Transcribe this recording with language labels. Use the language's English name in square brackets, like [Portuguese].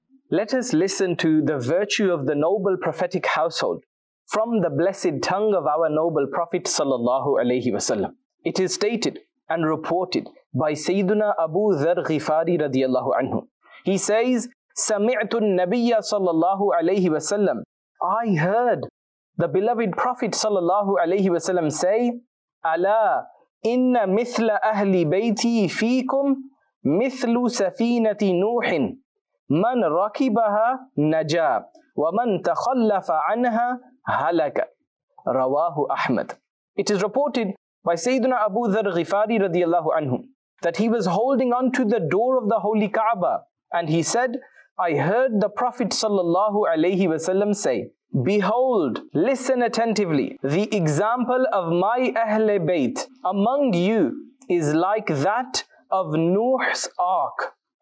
[English] Let us listen to the virtue of the noble prophetic household from the blessed tongue of our noble Prophet sallallahu alayhi wa sallam. It is stated and reported by Sayyiduna Abu Dharr Ghifari radiallahu anhu. He says, [Arabic] سَمِعْتُ النَّبِيَّ صَلَّى اللَّهُ عَلَيْهِ وَسَلَّمْ [English] I heard the beloved Prophet sallallahu alayhi wa sallam say, [Arabic] أَلَا إِنَّ مِثْلَ أَهْلِ بَيْتِي فِيكُمْ مِثْلُ سَفِينَةِ نُوحٍ مَنْ رَكِبَهَا نَجَى وَمَنْ تَخَلَّفَ عَنْهَا هَلَكَ رَوَاهُ أَحْمَد. [English] It is reported by Sayyiduna Abu Dharr Ghifari radiallahu anhu that he was holding on to the door of the Holy Kaaba, and he said, I heard the Prophet sallallahu alayhi wasallam say, Behold, listen attentively. The example of my Ahle Bayt among you is like that of Nuh's ark.